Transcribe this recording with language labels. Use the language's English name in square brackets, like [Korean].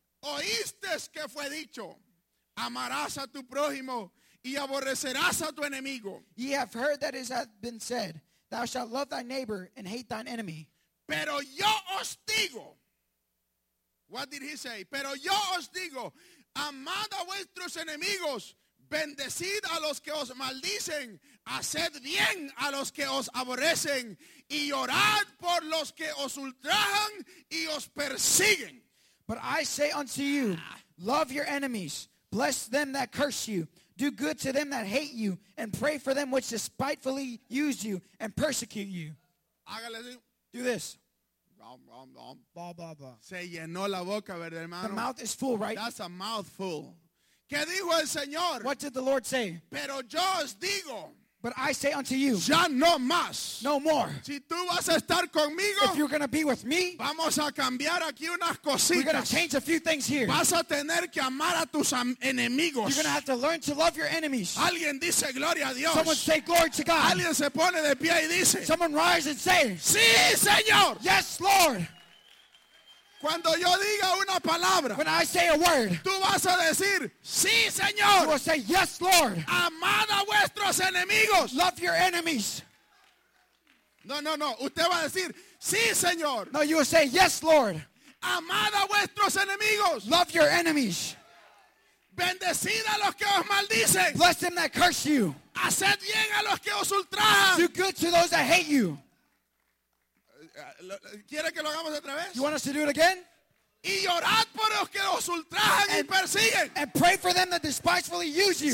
[Spanish] Oísteis que fue dicho, amarás a tu prójimo y aborrecerás a tu enemigo. [English] Ye have heard that it hath been said, thou shalt love thy neighbor and hate thine enemy. [Spanish] Pero yo os digo, [English] what did he say? [Spanish] Pero yo os digo, amad a vuestros enemigos, bendecid a los que os maldicen, haced bien a los que os aborrecen, y orad por los que os ultrajan y os persiguen. [English] But I say unto you, love your enemies, bless them that curse you, do good to them that hate you, and pray for them which despitefully use you and persecute you. Do this. Blah, blah, blah. [Spanish] Se llenó la boca, ¿verdad, hermano? [English] The mouth is full, right? That's a mouthful. [Spanish] ¿Qué dijo el Señor? [English] What did the Lord say? [Spanish] Pero yo os digo. [English] But I say unto you, [Spanish] ya no más. [English] No more. [Spanish] Si tú vas a estar conmigo, [English] if you're going to be with me, [Spanish] vamos a cambiar aquí unas cositas. [English] We're going to change a few things here. [Spanish] Vas a tener que amar a tus enemigos. [English] You're going to have to learn to love your enemies. [Spanish] Alguien dice gloria a Dios. [English] Someone say glory to God. [Spanish] Alguien se pone de pie y dice, [English] someone rise and say, [Spanish] sí, Señor. [English] Yes, Lord. [Spanish] Cuando yo diga una palabra, [English] when I say a word, [Spanish] tú vas a decir, sí, Señor. [English] You will say, yes, Lord. [Spanish] Amad a vuestros enemigos. [English] Love your enemies. [Spanish] No, no, no. Usted va a decir, sí, Señor. [English] No, you will say, yes, Lord. [Spanish] Amad a vuestros enemigos. [English] Love your enemies. [Spanish] Bendecid a los que os maldicen. [English] Bless them that curse you. [Spanish] Haced bien a los que os ultrajan. [English] Do good to those that hate you. [Spanish] ¿Quiere que lo hagamos otra vez? [English] You want us to do it again? [Spanish] Y llorad por los que los ultrajan y persiguen. [English] And pray for them that despitefully use you.